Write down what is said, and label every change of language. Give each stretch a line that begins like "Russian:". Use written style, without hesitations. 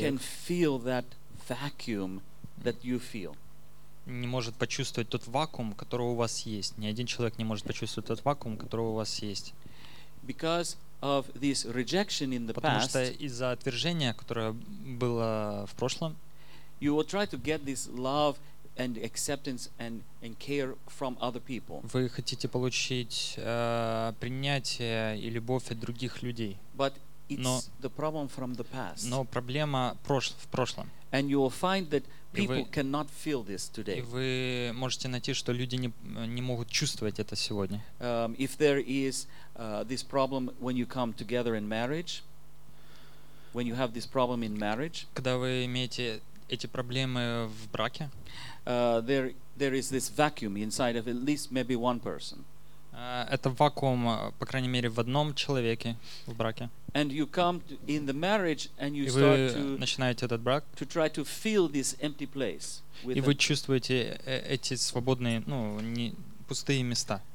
English: can feel that vacuum that you feel.
Russian: Не может почувствовать тот вакуум, который у вас есть. Ни один человек не может почувствовать тот вакуум, который у вас есть.
English: Because of this rejection in the
Russian: потому
English: past,
Russian: что из-за отвержения, которое было в прошлом,
English: you will try to get this love and acceptance and care from other people.
Russian: Вы хотите получить принятие и любовь от других людей.
English: But it's
Russian: но,
English: the problem from the past.
Russian: Но проблема в прошлом.
English: And you will find that people cannot feel this today.
Russian: И вы можете найти, что люди не могут чувствовать это сегодня.
English: If there is this problem when you come together in marriage, when you have this problem in marriage,
Russian: когда вы имеете эти проблемы в браке,
English: there is this vacuum inside of at least maybe one person.
Russian: Это вакуум, по крайней мере, в одном человеке в браке.
English: And you come to, in the marriage and you start to,
Russian: брак,
English: to try to fill this empty place.
Russian: И вы чувствуете эти свободные, ну, не, пустые места.